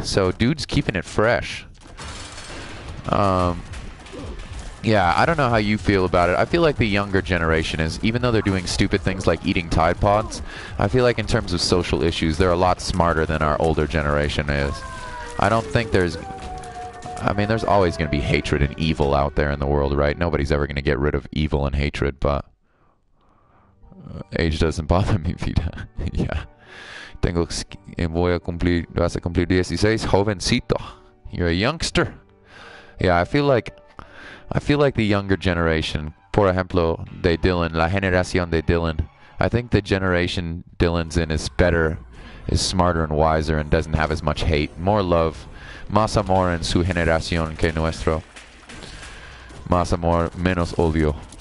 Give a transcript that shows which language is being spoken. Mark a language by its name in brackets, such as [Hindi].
[English] So, dude's keeping it fresh. Yeah, I don't know how you feel about it. I feel like the younger generation is, even though they're doing stupid things like eating Tide Pods, I feel like in terms of social issues, they're a lot smarter than our older generation is. I don't think there's... I mean, there's always going to be hatred and evil out there in the world, right? Nobody's ever going to get rid of evil and hatred, but age doesn't bother me, vida. Yeah. [Spanish] Tengo voy a cumplir, vas a cumplir 16, jovencito. [English] You're a youngster. Yeah, I feel like the younger generation, [Spanish] por ejemplo, de Dylan, [English] la generación de Dylan, I think the generation Dylan's in is better, is smarter and wiser and doesn't have as much hate. More love. [Spanish] Más amor en su generación que nuestro. Más amor, menos odio.